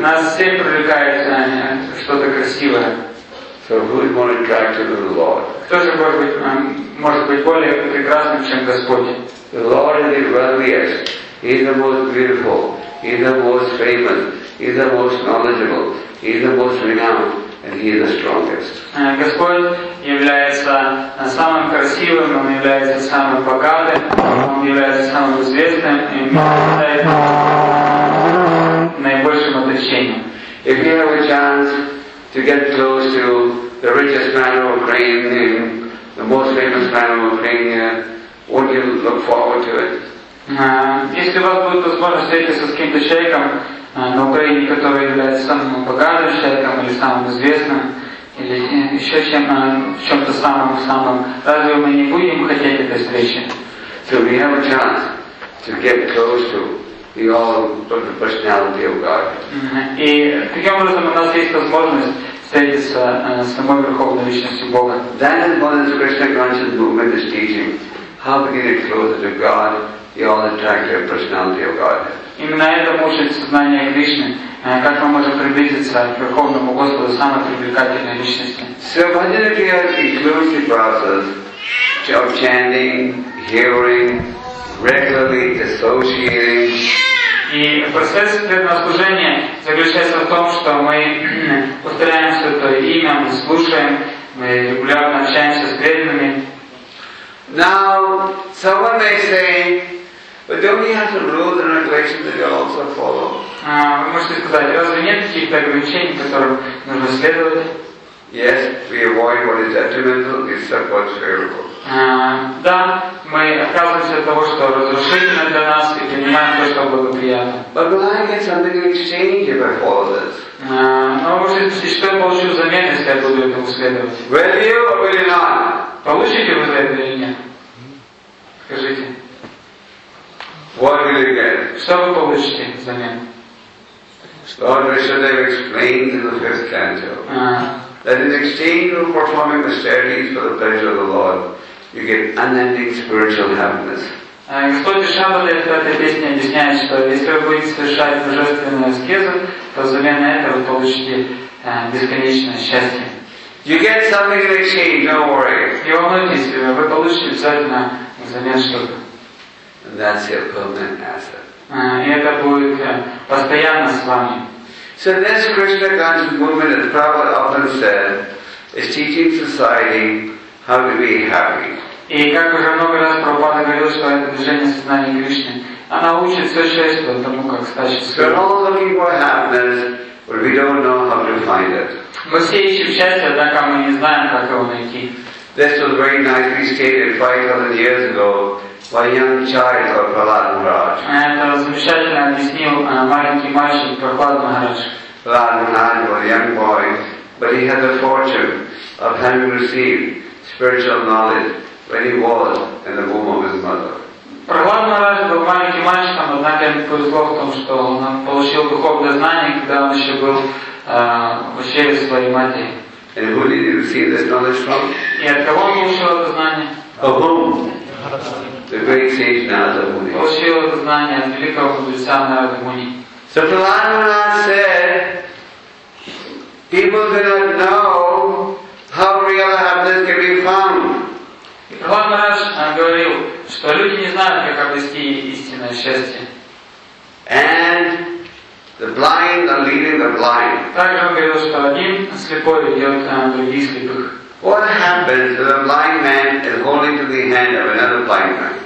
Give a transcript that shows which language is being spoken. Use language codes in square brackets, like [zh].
[ru] Нас все привлекает что-то красивое. [en] So who is more attractive than the Lord? [ru] Кто же может быть более прекрасным, чем Господь? [en] The Lord is the wealthiest. He is the most beautiful. He is the most famous. He is the most knowledgeable. He is the most renowned, and He is the strongest. [ru] Господь является самым красивым. Он является самым богатым. Он является самым известным. И обладает наибольшим отличением. [en] If you have a chance to get close to the richest man of Ukraine, the most famous man of Ukraine, won't you look forward to it? [ru] Если у вас будет возможность встретиться с каким-то человеком на Украине, который является самым богатым человеком или самым известным, или еще чем-то самым, разве мы не будем хотеть этой встречи? [en] So we have a chance to get close to the all personality of God. [ru] И таким образом у нас есть возможность встретиться с самой Верховной Личностью Бога. [en] That is what this Krishna Conscious Movement is teaching. How to get it closer to God, the all-attractive personality of God. [ru] Именно этому учит сознание Кришны, как мы можем приблизиться к Верховному Господу, самой привлекательной личности. [en] So, bhajan kriya is inclusive process of chanting, hearing, regularly associating. [ru] И процесс преданного служения заключается в том, что мы повторяем святое имя, мы слушаем, мы регулярно общаемся с преданными. [en] Now, someone may say, but don't we have some rules and regulations that you also follow? [ru] Вы можете сказать, разве нет каких-то ограничений, которым нужно следовать? [en] Yes, we avoid what is detrimental, we accept what's favorable. [ru] Да, мы отказываемся от того, что разрушительно для нас, и принимаем то, что благоприятно. [en] But will I get something in exchange if I follow this? [ru] Но может быть, что я получу взамен, если я буду этому следовать? [en] Will you or will you not? [ru] Получите вы за это или нет? Скажите. [en] What will you get? [ru] Что вы получите взамен? [en] Lord Vishnudeva explains in the fifth canto that in exchange of performing austerities for the pleasure of the Lord, you get unending spiritual happiness. [ru] Господь Шамбала в этой песне объясняет, что если вы будете совершать божественную аскезу, то взамен этого вы получите бесконечное счастье. [en] You get something in exchange, don't worry. [ru] Не волнуйтесь, вы получите обязательно взамен что-то. [en] that's your permanent asset. [ru] Это будет постоянно с вами. [en] So this Krishna conscious movement, as Prabhupada often said, is teaching society how to be happy. [ru] И как уже много раз Прабхупада говорил, что это движение сознания Кришны, она учит все счастье тому, как стать счастливым. [en] We're all looking for happiness, but we don't know how to find it. [ru] Мы все ищем счастье, однако мы не знаем, как его найти. [en] This was very nicely stated 5,000 years ago by young child of Prahlad Maharaj. [ru] Это замечательно объяснил маленький мальчик Прахлад Махарадж. [en] Prahlad Maharaj was a young boy, but he had the fortune of having received spiritual knowledge when he was in the womb of his mother. [ru] Прахлад Махарадж был маленьким мальчиком, однако ему повезло в том, что он получил духовное знание, когда он еще был в чреве своей матери. [en] And who did you receive this knowledge from? [ru] И от кого он получил это знание? [en] Of whom? The great sage Narada Muni. [ru] Получил это знание от великого мудреца Нарада Муни. [en] So Prahlad Maharaj said, people do not know how real happiness can be found. [ru] И Прахлад Махарадж говорил, что люди не знают, как обрести истинное счастье. [en] And the blind are leading the blind. [ru] Также он говорил, что один слепой ведет других слепых. [en] What happens if a blind man is holding to the hand of another blind man?